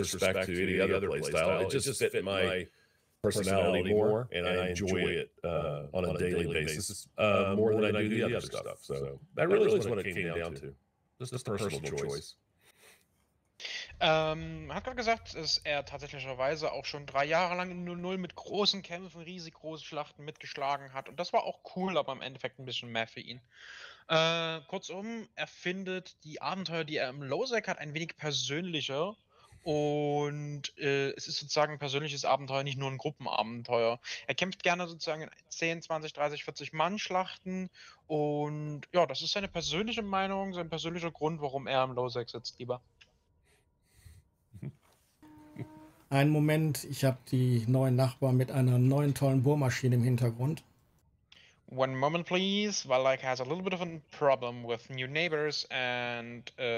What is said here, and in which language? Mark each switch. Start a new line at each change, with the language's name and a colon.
English: So while I do have 200 people in my corporation and almost 600 people in the alliance, it's a very small gang, one-on-one, solo fighting, small gangs of 10, 15, 20, 30 people, and I just found that for me personally, and this is no disrespect to any other play style, it just fit my personality more and I enjoy it on a daily basis more than I do the other stuff.
German: Hat gerade gesagt, dass er tatsächlicherweise auch schon 3 Jahre lang in 0-0 mit großen Kämpfen, riesig große Schlachten mitgeschlagen hat und das war auch cool, aber im Endeffekt ein bisschen mehr für ihn. Kurzum, er findet die Abenteuer, die er im Losec hat, ein wenig persönlicher. Und es ist sozusagen ein persönliches Abenteuer, nicht nur ein Gruppenabenteuer. Er kämpft gerne sozusagen in 10, 20, 30, 40 Mann-Schlachten. Und ja, das ist seine persönliche Meinung, sein persönlicher Grund, warum er im Losec sitzt, lieber. Einen Moment, ich habe die neuen Nachbarn mit einer neuen tollen Bohrmaschine im Hintergrund.
English: One moment, please. Valdek has a little bit of a problem with new neighbors and...